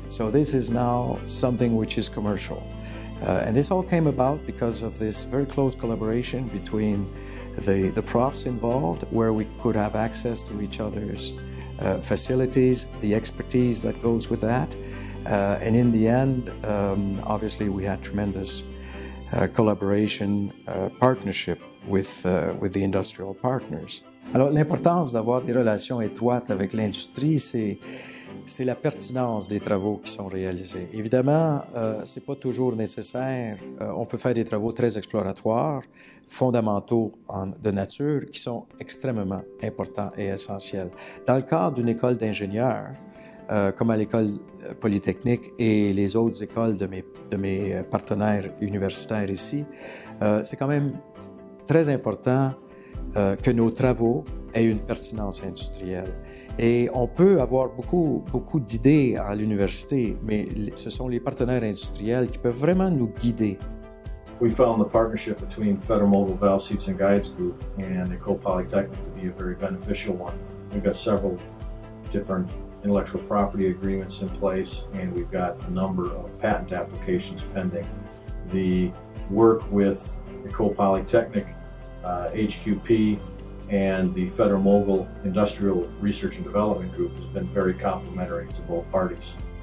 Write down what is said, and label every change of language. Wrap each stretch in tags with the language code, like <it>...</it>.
<en>So this is now something which is commercial. And this all came about because of this very close collaboration between the profs involved, where we could have access to each other's facilities, the expertise that goes with that. And in the end, obviously we had tremendous collaboration, partnership with the industrial partners.</en> <fr>Alors l'importance d'avoir des relations étroites avec l'industrie, c'est la pertinence des travaux qui sont réalisés. Évidemment, c'est pas toujours nécessaire. On peut faire des travaux très exploratoires, fondamentaux de nature, qui sont extrêmement importants et essentiels. Dans le cadre d'une école d'ingénieurs, comme à l'École Polytechnique et les autres écoles de mes partenaires universitaires ici, c'est quand même très important que nos travaux aient une pertinence industrielle. Et on peut avoir beaucoup d'idées à l'université, mais ce sont les partenaires industriels qui peuvent vraiment nous guider.</fr> <en>We found the partnership between Federal Mogul Valve Seats and Guides Group and École Polytechnique to be a very beneficial one. We've got several different intellectual property agreements in place, and we've got a number of patent applications pending. The work with École Polytechnique, HQP, and the Federal Mogul Industrial Research and Development Group has been very complementary to both parties.</en>